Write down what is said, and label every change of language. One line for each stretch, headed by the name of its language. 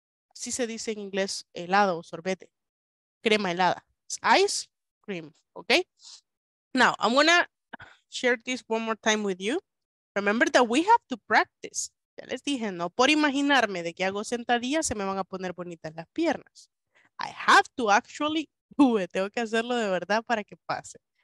Spanish: Así se dice en inglés helado o sorbete. Crema helada.
English: It's ice cream, okay? Now, I'm gonna share this one more time with you. Remember that we have to practice.
Spanish: Ya les dije, no por imaginarme de que hago sentadillas se me van a poner bonitas las piernas.
English: I have to actually do it.
Spanish: Tengo que hacerlo de verdad para que pase.